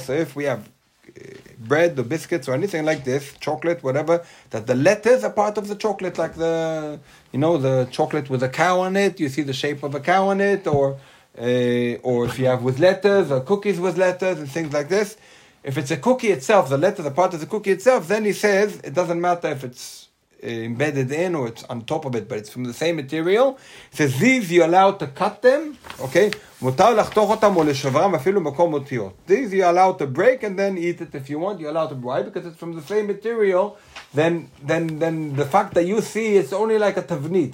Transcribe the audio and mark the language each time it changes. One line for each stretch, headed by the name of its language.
English: So if we have bread or biscuits or anything like this, chocolate, whatever, that the letters are part of the chocolate, like the, you know, the chocolate with a cow on it, you see the shape of a cow on it, or if you have with letters, or cookies with letters and things like this. If it's a cookie itself, the letters are part of the cookie itself, then he says, it doesn't matter if it's embedded in or it's on top of it, but it's from the same material. He says, these you're allowed to cut them, okay?
Hebrew: מותר לחתוך אותם או לשברם אפילו מקום אותיות.
English: These you're allowed to break and then eat it if you want. You're allowed to break because it's from the same material. Then the fact that you see, it's only like a tavnit.